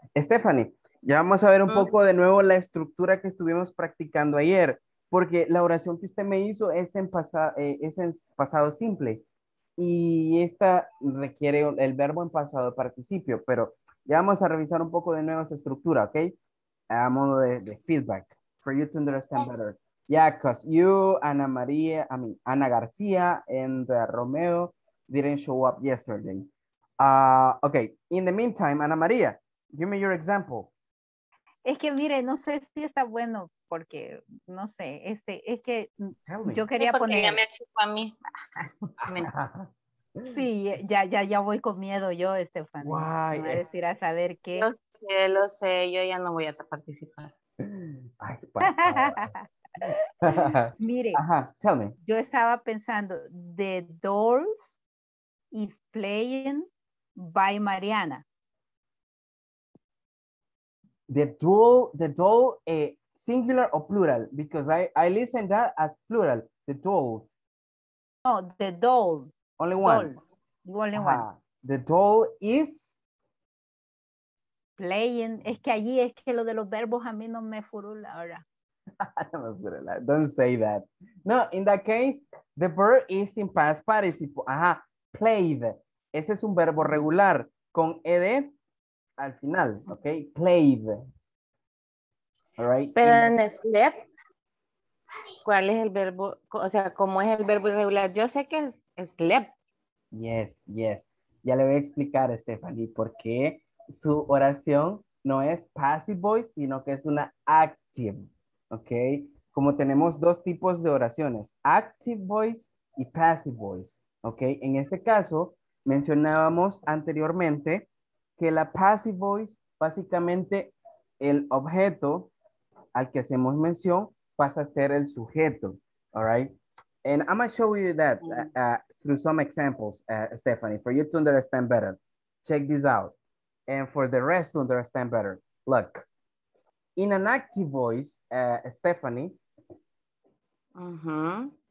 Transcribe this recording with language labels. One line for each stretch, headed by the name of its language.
Spanish: Stephanie, ya vamos a ver un poco de nuevo la estructura que estuvimos practicando ayer, porque la oración que usted me hizo es en pasado simple, y esta requiere el verbo en pasado participio, pero ya vamos a revisar un poco de nuevo esa estructura, ¿ok? A modo de feedback,
English: for you to understand better. Yeah, because you, Ana García and Romeo didn't show up yesterday. Okay, in the meantime, Ana María, give me your example.
Spanish: Es que mire, no sé si está bueno, porque, no sé, es que yo quería porque poner... Porque ya me achupó a mí. Sí, ya voy con miedo yo, Estefan. Guay. Me voy a decir a saber qué. Lo sé, yo ya no voy a participar. Ay, por favor. Mire,
English: ajá, tell me.
Spanish: Yo estaba pensando,
English: the dolls is playing by Mariana. The doll, singular or plural? Because I listen that as plural, the dolls. No, the doll. Only one. Only one. The doll is playing.
Spanish: Es que allí es que lo de los verbos a mí no me furula ahora.
English: Don't say that. No, in that case, the verb is in past participle. Ajá, played.
Spanish: Ese es un verbo regular con ed al final, ¿ok?
English: Played. All right.
Spanish: Pero en slept, ¿cuál es el verbo? O sea, ¿cómo es el verbo irregular? Yo sé que es slept.
English: Yes, yes.
Spanish: Ya le voy a explicar, Stephanie, por qué su oración no es passive voice, sino que es una active, ¿ok? Como tenemos dos tipos de oraciones, active voice y passive voice, ¿ok? En este caso, mencionábamos anteriormente que la passive voice, básicamente el objeto al que hacemos mención pasa a ser el sujeto,
English: all right? And I'm going to show you that through some examples, Stephanie, for you to understand better. Check this out. And for the rest to understand better. Look, in an active voice, Stephanie. Uh-huh.